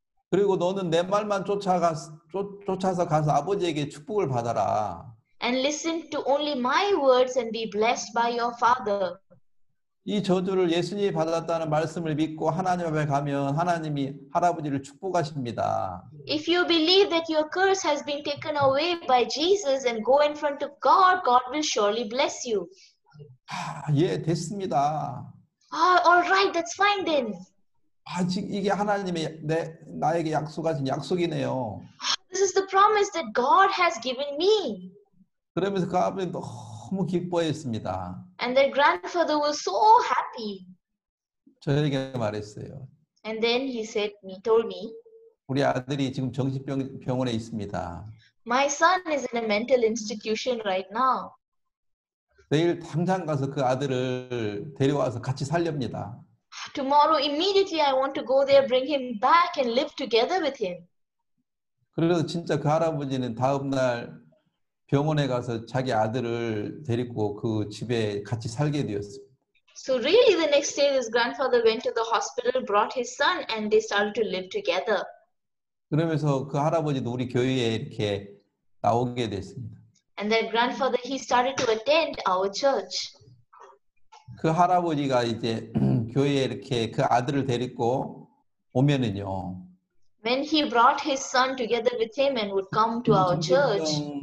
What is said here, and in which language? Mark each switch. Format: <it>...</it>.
<ko>그리고 너는 내 말만 쫓아서 가서 아버지에게 축복을 받아라.</ko> <en>And listen to only my words and be blessed by your father.</en> <ko>이 저주를 예수님이 받았다는 말씀을 믿고 하나님 앞에 가면 하나님이 할아버지를 축복하십니다.</ko> <en>If you believe that your curse has been taken away by Jesus and go in front of God, God will surely bless you.</en> <ko>아, 예, 됐습니다.</ko> <en>All right, that's fine then.</en> <ko>아직 이게 하나님의 나에게 약속하신 약속이네요.</ko> <en>This is the promise that God has given me.</en> <ko>그러면서 그 아버지 너무 기뻐했습니다.</ko> <en>And their grandfather was so happy.</en> <ko>저에게 말했어요.</ko> <en>And then he said, he told me.</en> <ko>우리 아들이 지금 정신병원에 있습니다.</ko> <en>My son is in a mental institution right now.</en> <ko>내일 당장 가서 그 아들을 데려와서 같이 살렵니다.</ko> <en>Tomorrow immediately I want to go there, bring him back and live together with him.</en> <ko>그래서 진짜 그 할아버지는 다음 날 병원에 가서 자기 아들을 데리고 그 집에 같이 살게 되었습니다.</ko> <en>So really the next day his grandfather went to the hospital, brought his son and they started to live together.</en> <ko>그러면서 그 할아버지도 우리 교회에 이렇게 나오게 됐습니다.</ko> <en>And their grandfather he started to attend our church.</en> <ko>그 할아버지가 이제 교회에 이렇게 그 아들을 데리고 오면은요.</ko> <en>When he brought his son together with him and would come to our church.</en>